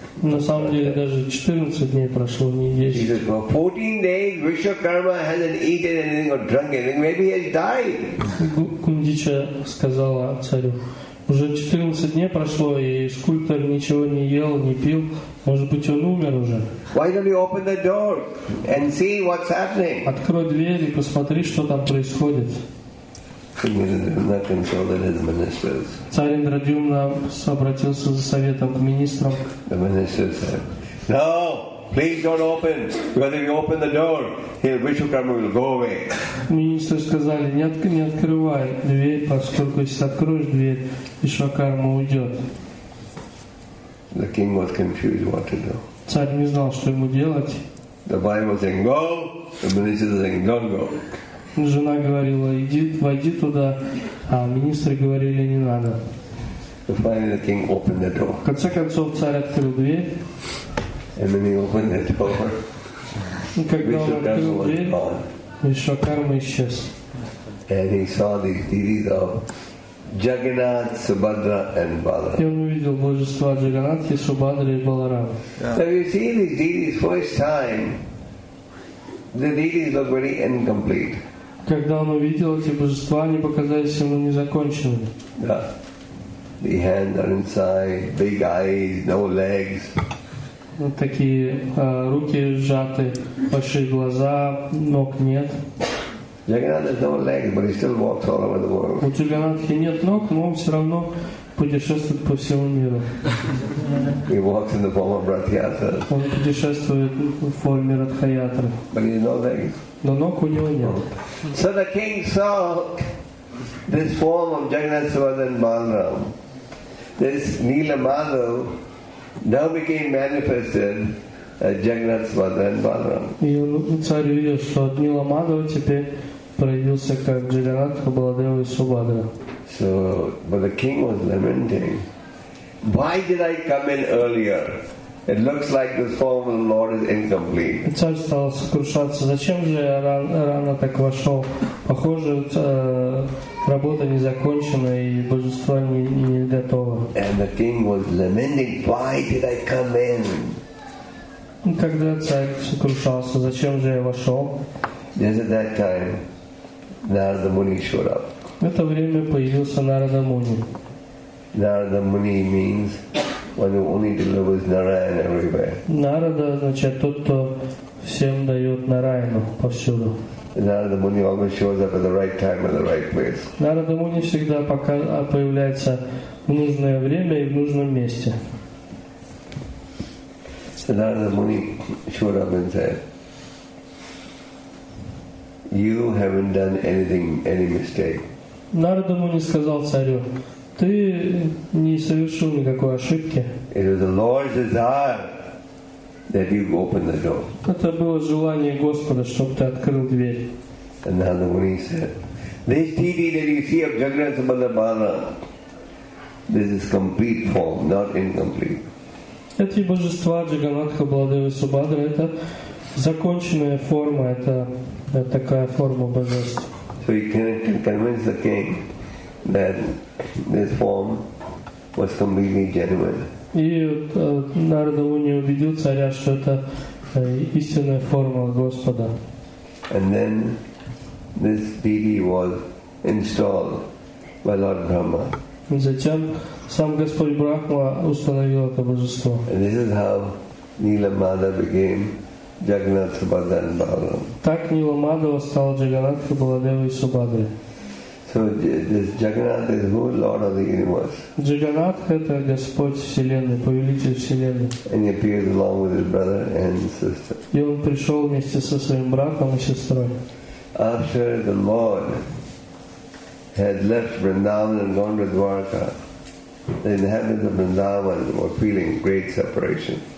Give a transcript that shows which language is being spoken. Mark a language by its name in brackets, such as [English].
[Russian] На самом деле, даже 14 дней прошло, не 10. [English] He said, for 14 days, Vishwakarma hasn't eaten anything or drunk anything. Maybe he has died. [Russian] Гундича сказала царю, уже 14 дней прошло, и скульптор ничего не ел, не пил. Может быть, он умер уже. [English] Why don't you open the door and see what's happening? [Russian] Открой дверь и посмотри, что там происходит. Царь Индрадюмна обратился за советом к министрам. [English] The minister said, no, please don't open, because if you open the door, Vishwakarma will go away. [Russian] Министры сказали, не открывай дверь, поскольку если откроешь дверь, Вишвакарма уйдет. [English] The king was confused what to do. [Russian] Царь не знал, что ему делать. [English] The wife was saying, go, the minister was saying, don't go. [Russian] Жена говорила, иди, войди туда, а министры говорили, не надо. [English] So finally the king opened the door. [Russian] В конце концов царь открыл дверь. [English] And then he opened the door. [Russian] И когда он открыл дверь, Вишвакарма исчез. [English] And he saw the deities of Jagannath, Subhadra and Balaram. [Russian] И он увидел божества Джаганатхи, Субхадры и Баларам. [English] So you see these deities first time, the deities look very incomplete. [Russian] Когда он увидел эти божества, они показались ему незаконченными. Да. [English] The hands are inside, big eyes, no legs. [Russian] Вот такие руки сжаты, большие глаза, ног нет. [English] Jagannath has no legs, but he still walks all over the world. [Russian] У Джаганатхи нет ног, но он все равно путешествует по всему миру. [English] He walks in the form of Ратхаятра. [Russian] Он путешествует в форме Ратхаятры. [English] But he has no legs. [Russian] Но ног у него нет. [English] So the king saw this form of Jagannath, Subhadra and Balaram. This Nila Madhav now became manifested as Jagannath, Subhadra and Balaram. [Russian] И он царь увидел, что от Нила Мадхава теперь проявился как Джаганнатха, Баладева и Субхадра. [English] So, but the king was lamenting, why did I come in earlier? It looks like the form of the Lord is incomplete. [Russian] Царь стал сокрушаться. Зачем же я рано так вошел? Похоже, работа не закончена и божество не готово. [English] And the king was lamenting, why did I come in? [Russian] Когда царь сокрушался, зачем же я вошел? [English] Just at that time, Narada Muni showed up. [Russian] В это время появился Нарада Муни. [English] Narada Muni means one who only delivers Narayana everywhere. [Russian] Narada значит тот, кто всем дает Нараяну повсюду. [English] Narada Muni always shows up at the right time and the right place. [Russian] Narada Muni всегда появляется в нужное время и в нужном месте. [English] So Narada Muni showed up and said, "You haven't done anything, any mistake." [Russian] Narada Muni сказал царю, ты не совершил никакой ошибки. [English] It was the Lord's desire that you open the door. [Russian] Это было желание Господа, чтобы ты открыл дверь. [English] And Narada Muni said, this deity that you see of Jagannath Subhadra Balaram, this is complete form, not incomplete. [Russian] Эти божества Джаганнатха, Баладева и Субхадра, это законченная форма, это такая форма божества. [English] So he can convince the king that this form was completely genuine. [Russian] И Нарада Муни убедил царя, что это истинная форма Господа. [English] And then this Vidhi was installed by Lord Brahma. [Russian] И затем сам Господь Брахма установил это божество. [English] And this is how Nilamada became Jagannath Subhadra and Balaram. [Russian] Так Ниламадава стал Джаганнатх Баладевой и Субхадрой. [English] So this Jagannath is who? Lord of the universe. [Russian] Джаганнатх — это Господь Вселенной, Повелитель Вселенной. [English] And he appeared along with his brother and sister. [Russian] И он пришел вместе со своим братом и сестрой. [English] After the Lord had left Vrindavan and gone to Dwarka, the inhabitants of Vrindavan were feeling great separation.